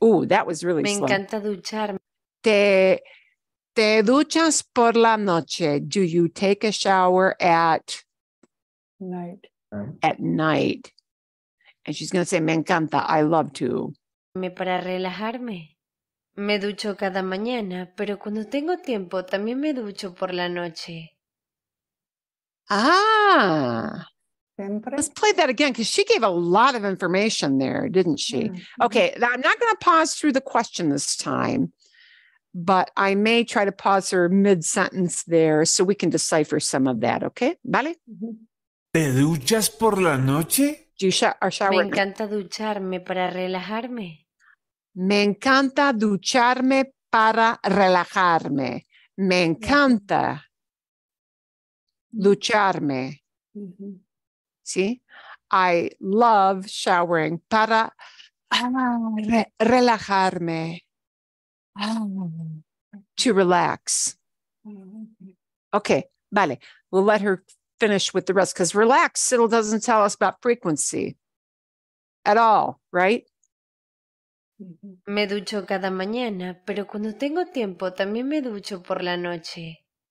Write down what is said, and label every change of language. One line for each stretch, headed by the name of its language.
English: Ooh, that was really me slow.
Spanish: Me encanta ducharme. ¿Te duchas por la noche?
English: Do you take a shower at night? At night. And she's going to say,
Spanish: me encanta,
English: I love to.
Spanish: Me para relajarme. Me ducho cada mañana, pero cuando tengo tiempo, también me ducho por la noche. Ah. ¿Siempre?
English: Let's play that again, because she gave a lot of information there, didn't she? Mm-hmm. Okay, now I'm not going to pause through the question this time, but I may try to pause her mid-sentence there so we can decipher some of that, okay?
Spanish: ¿Vale? ¿Te duchas por la noche? Me encanta ducharme para relajarme. Me encanta ducharme para relajarme. Me encanta ducharme. Mm-hmm. ¿Sí?
English: I love showering
Spanish: para relajarme.
English: To relax. Okay,
Spanish: vale.
English: We'll let her finish with the rest, because relax still doesn't tell us about frequency at all, right?
Spanish: Me ducho cada mañana, pero cuando tengo tiempo también me ducho por la noche.